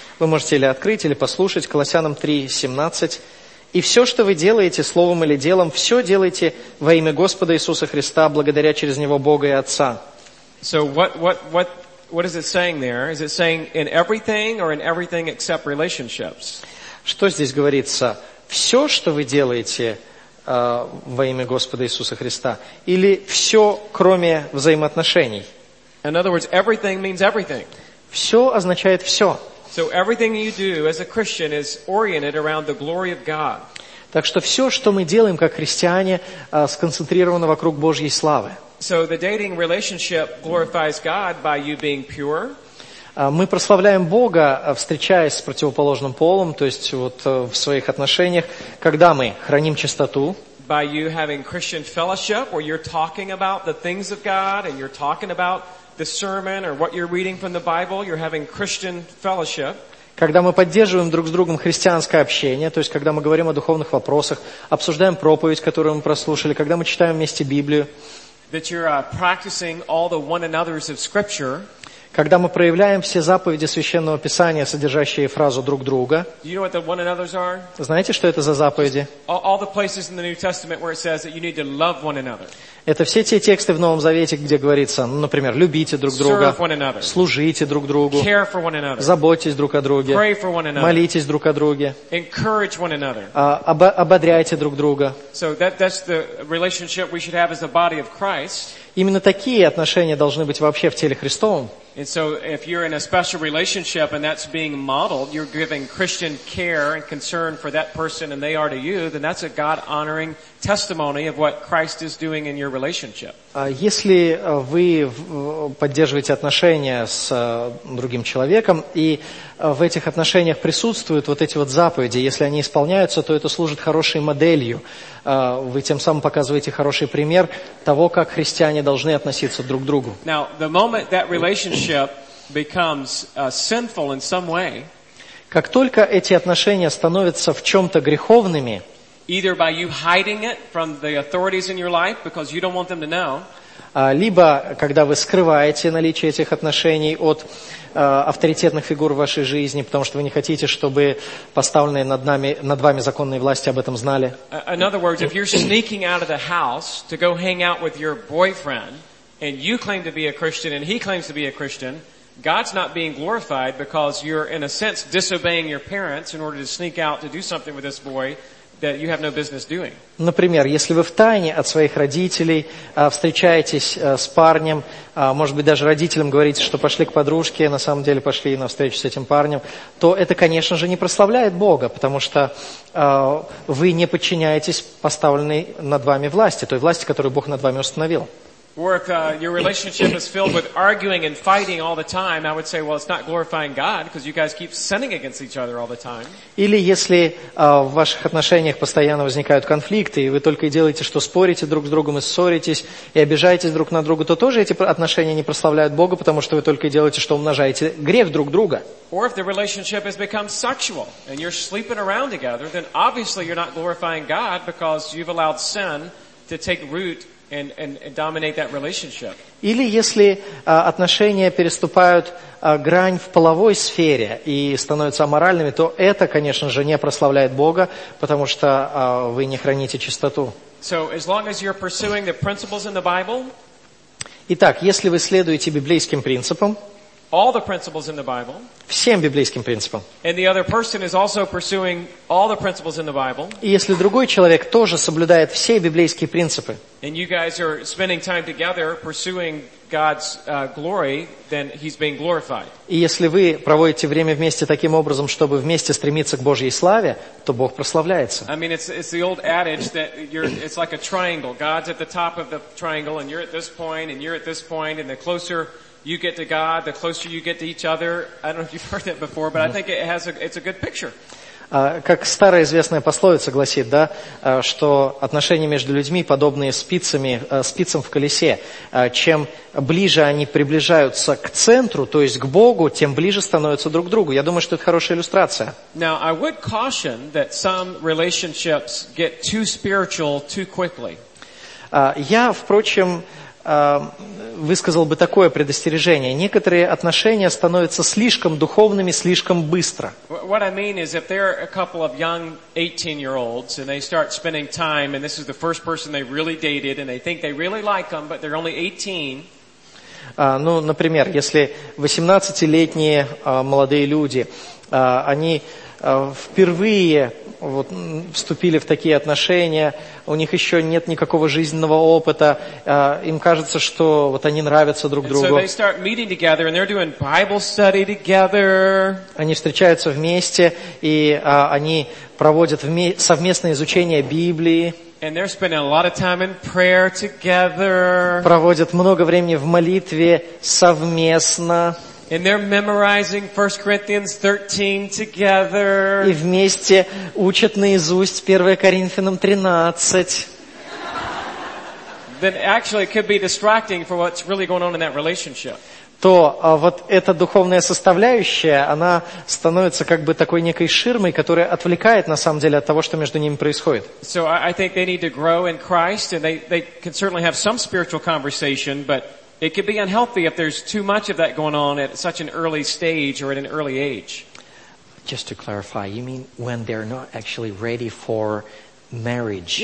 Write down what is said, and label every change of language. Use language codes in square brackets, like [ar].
[ru] Вы можете или открыть, или послушать Колоссянам 3:17. И все, что вы делаете, словом или делом, все делайте во имя Господа Иисуса Христа, благодаря через Него Бога и Отца. [en] So what is it saying there? Is it saying in everything or in everything except relationships? [ru] Что здесь говорится? Все, что вы делаете во имя Господа Иисуса Христа, или все, кроме взаимоотношений? [en] In other words, everything means everything. [ru] Все означает все. [en] So everything you do as a Christian is oriented around the glory of God. [ru] Так что все, что мы делаем как христиане, сконцентрировано вокруг Божьей славы. [en] So the dating relationship glorifies God by you being pure. [ru] Мы прославляем Бога, встречаясь с противоположным полом, то есть вот в своих отношениях, когда мы храним чистоту. [en] By you having Christian fellowship, where you're talking about the things of God and you're talking about the sermon or what you're reading from the Bible, you're having Christian fellowship. [ru] Когда мы поддерживаем друг с другом христианское общение, то есть когда мы говорим о духовных вопросах, обсуждаем проповедь, которую мы прослушали, когда мы читаем вместе Библию. [en] That you're practicing all the one another's of Scripture. [ru] Когда мы проявляем все заповеди Священного Писания, содержащие фразу «друг друга». [en] You know what the one another's are? [ru] Знаете, что это за заповеди? [en] All the places in the New Testament where it says that you need to love one another. [ru] Это все те тексты в Новом Завете, где говорится, например, любите друг друга, служите друг другу, заботьтесь друг о друге, молитесь друг о друге, ободряйте друг друга. [en] So that's the relationship we should have as the body of Christ. [ru] Именно такие отношения должны быть вообще в теле Христовом. [en] And so if you're in a special relationship and that's being modeled, you're giving Christian care and concern for that person and they are to you, then that's a God-honoring testimony of what Christ is doing in your relationship. [ru] Если вы поддерживаете отношения с другим человеком, и в этих отношениях присутствуют вот эти вот заповеди, если они исполняются, то это служит хорошей моделью. Вы тем самым показываете хороший пример того, как христиане должны относиться друг к другу. [en] Now, the moment that relationship becomes sinful in some way, [ru] как только эти отношения становятся в чем-то греховными, [en] either by you hiding it from the authorities in your life because you don't want them to know, [ru] либо когда вы скрываете наличие этих отношений от авторитетных фигур в вашей жизни, потому что вы не хотите, чтобы поставленные над вами законные власти об этом знали. [en] In other words, if you're sneaking out of the house to go hang out with your boyfriend and you claim to be a Christian and he claims to be a Christian, God's not being glorified because you're in a sense disobeying your parents in order to sneak out to do something with this boy. that you have no business doing. [ru] Например, если вы втайне от своих родителей встречаетесь с парнем, может быть, даже родителям говорите, что пошли к подружке, на самом деле пошли на встречу с этим парнем, то это, конечно же, не прославляет Бога, потому что вы не подчиняетесь поставленной над вами власти, той власти, которую Бог над вами установил. [en] Or if your relationship is filled with arguing and fighting all the time, I would say, well, it's not glorifying God, because you guys keep sinning against each other all the time. [ru] Или если в ваших отношениях постоянно возникают конфликты, и вы только и делаете, что спорите друг с другом и ссоритесь, и обижаетесь друг на друга, то тоже эти отношения не прославляют Бога, потому что вы только и делаете, что умножаете грех друг друга. [en] Or if the relationship has become sexual, and you're sleeping around together, then obviously you're not glorifying God, because you've allowed sin to take root and dominate that relationship. [ru] Или если отношения переступают грань в половой сфере и становятся аморальными, то это, конечно же, не прославляет Бога, потому что вы не храните чистоту. [en] So as long as you're pursuing the principles in the Bible, [ru] итак, если вы следуете библейским принципам, [en] all the principles in the Bible, [ru] всем библейским принципам, [en] and the other person is also pursuing all the principles in the Bible, [ru] и если другой человек тоже соблюдает все библейские принципы, [en] and you guys are spending time together pursuing God's glory, then he's being glorified. [ru] И если вы проводите время вместе таким образом, чтобы вместе стремиться к Божьей славе, то Бог прославляется. [en] I mean, it's the old adage that it's like a triangle. God's at the top of the triangle, and you're at this point, and you're at this point, and the closer you get to God, the closer you get to each other. I don't know if you've heard that before, but I think it's a good picture. [ru] Как старая известная пословица гласит, да, что отношения между людьми подобные спицам в колесе. Чем ближе они приближаются к центру, то есть к Богу, тем ближе становятся друг к другу. Я думаю, что это хорошая иллюстрация. [en] Now, I would caution that some relationships get too spiritual too quickly. [ru] Я, впрочем, высказал бы такое предостережение. Некоторые отношения становятся слишком духовными, слишком быстро. [en] What I mean is, if there are a couple of young 18-year-olds and they start spending time, and this is the first person they really dated, and they think they really like them, but they're only 18. [ru] Ну, например, если 18-летние молодые люди, они впервые вот вступили в такие отношения, у них еще нет никакого жизненного опыта, им кажется, что вот они нравятся друг другу. [en] So they start meeting together and they're doing Bible study together. [ru] Они встречаются вместе и они проводят совместное изучение Библии. [en] And they're spending a lot of time in prayer together. [ru] Проводят много времени в молитве совместно. [en] And they're memorizing 1 Corinthians 13 together. [ru] И вместе учат наизусть 1 Коринфянам 13. [en] Then actually it could be distracting for what's really going on in that relationship. [ru] То вот эта духовная составляющая, она становится как бы такой некой ширмой, которая отвлекает на самом деле от того, что между ними происходит. [en] So I think they need to grow in Christ, and they can certainly have some spiritual conversation, but it could be unhealthy if there's too much of that going on at such an early stage or at an early age. Just to clarify, you mean when they're not actually ready for marriage,